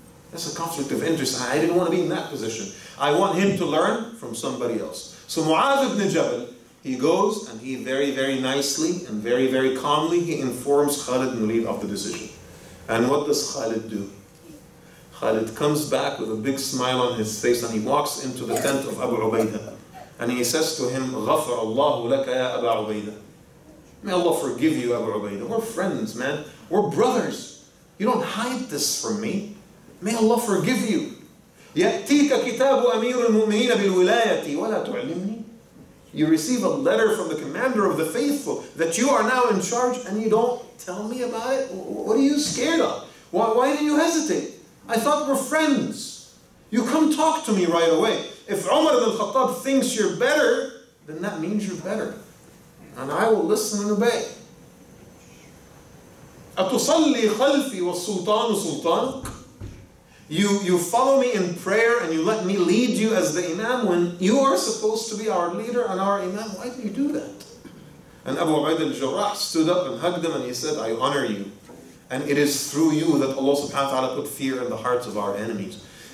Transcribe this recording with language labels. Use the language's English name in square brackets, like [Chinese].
[English] That's a conflict of interest. I didn't want to be in that position. I want him to learn from somebody else. So Mu'adh ibn Jabal, he goes and he very, very nicely and very, very calmly, he informs Khalid ibn Walid of the decision. And what does Khalid do? Khalid comes back with a big smile on his face and he walks into the tent of Abu Ubaidah. And he says to him, [Arabic] غَفَرْ اللَّهُ لَكَ يَا أَبَا عُبَيْدَةً. [English] May Allah forgive you, Abu Ubaidah. We're friends, man. We're brothers. You don't hide this from me. May Allah forgive you. [Arabic] يَأْتِيكَ كِتَابُ أَمِيرُ الْمُؤْمِنِينَ بِالْوِلَايَةِ وَلَا تُعْلِمْنِي. [English] You receive a letter from the commander of the faithful that you are now in charge and you don't tell me about it? What are you scared of? Why did you hesitate? I thought we're friends. You come talk to me right away. If Umar ibn al-Khattab thinks you're better, then that means you're better. And I will listen and obey. [Arabic] أَتُصَلِّي خَلْفِي وَالسُّلْطَانُ سُلْطَانُكُ. [English] You follow me in prayer and you let me lead you as the imam when you are supposed to be our leader and our imam. Why do you do that? And Abu Ubaid al-Jarrah stood up and hugged him and he said, I honor you. And it is through you that Allah subhanahu wa ta'ala put fear in the hearts of our enemies.